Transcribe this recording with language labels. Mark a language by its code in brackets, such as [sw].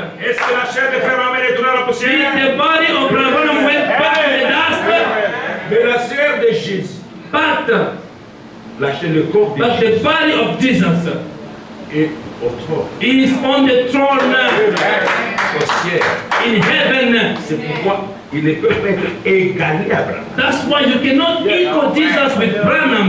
[fr] est-ce que la chair de frère Branham retourna à la poussière? [en] If the body of Brother Branham went back to the dust, [fr] mais la chair de Jésus, [en] but [fr] la chair, le corps de [en] but [fr] Jésus, [en] the body of Jesus, [fr] est au trône. [en] Is on the throne. [fr] Poussière. [en] In heaven. [fr] C'est pourquoi il ne peut pas être égalé à Branham. [en] That's why you cannot equal Jesus with Branham.